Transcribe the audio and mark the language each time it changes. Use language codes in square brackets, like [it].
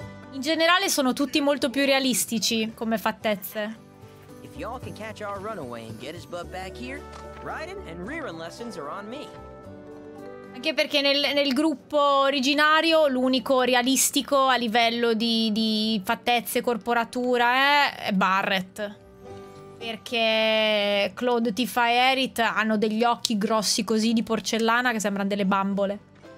[it] In generale sono tutti molto più realistici come fattezze. [en] If y'all can catch our runaway and get his butt back here, riding and rearing lessons are on me. [it] Anche perché nel gruppo originario l'unico realistico a livello di fattezze, corporatura è Barret. Perché Claude, Tifa e Aerith hanno degli occhi grossi così di porcellana che sembrano delle bambole.